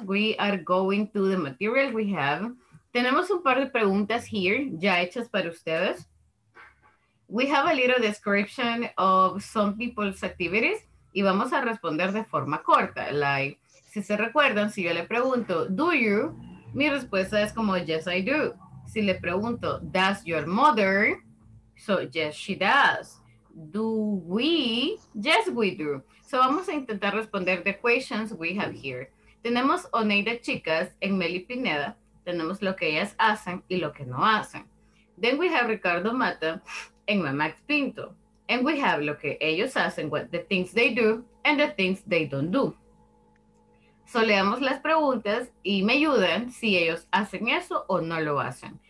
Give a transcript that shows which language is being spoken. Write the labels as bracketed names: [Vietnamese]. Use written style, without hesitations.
[English] We are going to the material we have. [Spanish] Tenemos un par de preguntas here, ya hechas para ustedes. [English] We have a little description of some people's activities [Spanish] y vamos a responder de forma corta. Like, si se recuerdan, si yo le pregunto, do you? Mi respuesta es como, [English] yes, I do. [Spanish] Si le pregunto, [English] does your mother? So, yes, she does. Do we? Yes, we do. [Spanish] So, vamos a intentar responder [English] the questions we have here. [Spanish] Tenemos Oneida Chicas en Meli Pineda. Tenemos lo que ellas hacen y lo que no hacen. [English] Then we have Ricardo Mata en Mamax Pinto. And we have [Spanish] lo que ellos hacen, [English] what the things they do, and the things they don't do. [Spanish] So, leamos las preguntas y me ayudan si ellos hacen eso o no lo hacen.